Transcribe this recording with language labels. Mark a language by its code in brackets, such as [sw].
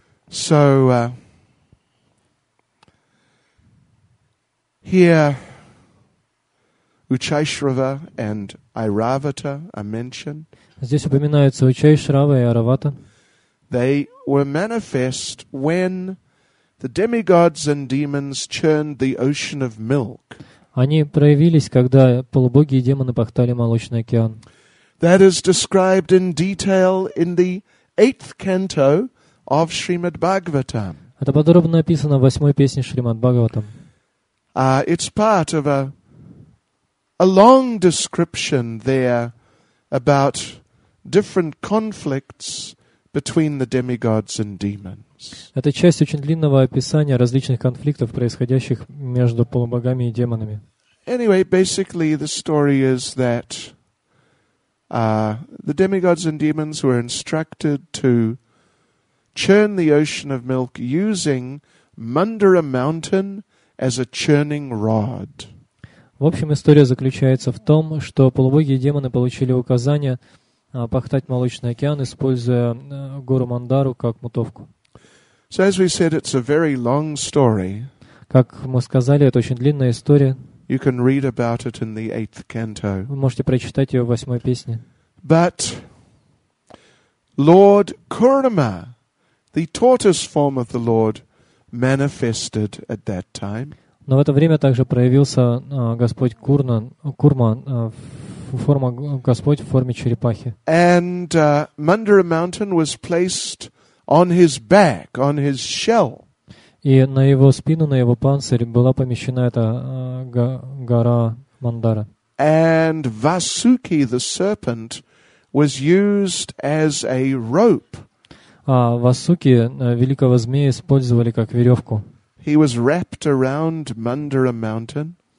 [en] So, here, Uchaishrava and Airavata are mentioned. [ru] Здесь упоминаются Uchaishrava и Airavata. [en] They were manifest when the demigods and demons churned the ocean of milk. [ru] Они проявились, когда полубоги и демоны пахтали молочный океан. [en] That is described in detail in the 8th canto of Srimad Bhagavatam. [ru] Это подробно описано в восьмой песне Шримад Бхагаватам. [en] It's part of a long description there about different conflicts between the demigods and demons. [ru] Это часть очень длинного описания различных конфликтов, происходящих между полубогами и демонами. [en] Anyway, basically the story is that the demigods and demons were instructed to churn the ocean of milk using Mandara Mountain as a churning rod. [ru] В общем, история заключается в том, что полубоги и демоны получили указание пахтать молочный океан, используя гору Мандару как мутовку. [en] So, as we said, it's a very long story. [ru] Как мы сказали, это очень длинная история. [en] You can read about it in the 8th canto. [ru] Вы можете прочитать ее в восьмой песне. [en] But Lord Kurma, the tortoise form of the Lord, manifested at that time. [ru] Но в это время также проявился Господь Курна, Курма, форма Господь в форме черепахи. [en] And Mandara Mountain was placed on his back, on his shell. [ru] И на его спину, на его панцирь была помещена эта гора Мандара. [en] And Vasuki, the serpent, was used as a rope. [ru] А Васуки, великого змея, использовали как веревку. [en] He was wrapped around Mandara Mountain.